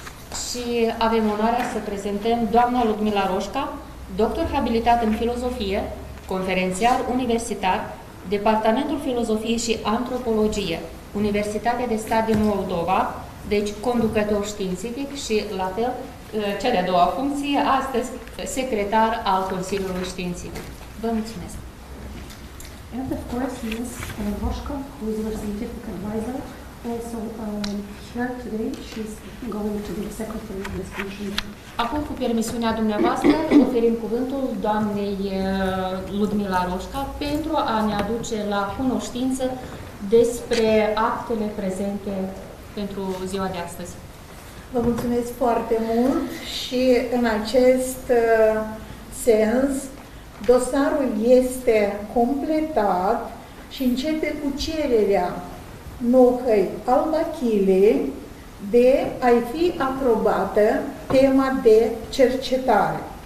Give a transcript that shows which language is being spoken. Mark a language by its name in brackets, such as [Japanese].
[Romanian] Și avem onoarea să prezentăm doamna Ludmila Roșca, doctor habilitat în filozofie, conferențiar universitar, Departamentul Filozofie și Antropologie, Universitatea de Stat din Moldova, deci conducător științific și la fel cea de-a doua funcție, astăzi secretar al Consiliului Științific. Vă mulțumesc! [English] And of course, Ms. Roșca, who is our scientific advisor, also here today, she's going to be the secretary of this commission. [Romanian] Acum, cu permisiunea dumneavoastră, oferim cuvântul doamnei Ludmila Roșca pentru a ne aduce la cunoștință despre actele prezente pentru ziua de astăzi. Vă mulțumesc foarte mult și în acest sens dosarul este completat și începe cu cererea Nohăi Albachilei de a-i fi aprobată tema de cercetare.